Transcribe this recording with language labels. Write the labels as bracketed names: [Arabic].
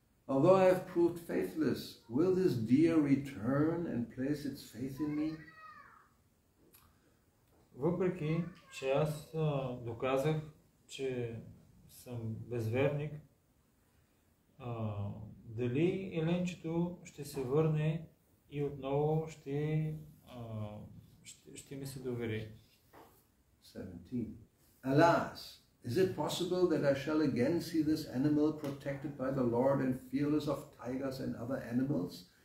[English] Although I have proved faithless, will this deer return and place its faith in me? [Bulgarian] Въпреки че аз доказах, че съм безверник, дали еленчето ще се върне и отново ще ми се довери? [English] 17. Alas! Is it possible that I shall again see this animal protected by the Lord and fearless of tigers and other animals?